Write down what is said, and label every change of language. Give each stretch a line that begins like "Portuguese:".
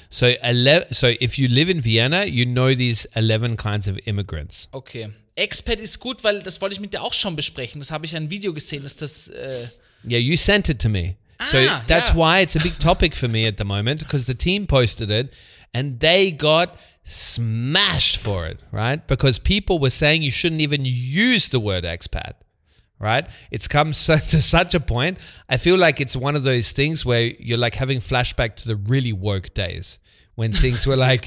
English: So if you live in Vienna, you know these 11 kinds of immigrants. Okay.
German: Expat ist gut, weil das wollte ich mit dir auch schon besprechen. Das habe ich ein Video gesehen, dass das
English: Yeah, you sent it to me. So that's why it's a big topic for me at the moment because the team posted it and they got smashed for it, right? Because people were saying you shouldn't even use the word expat, right? It's come so, to such a point. I feel like it's one of those things where you're like having flashback to the really woke days when things were like,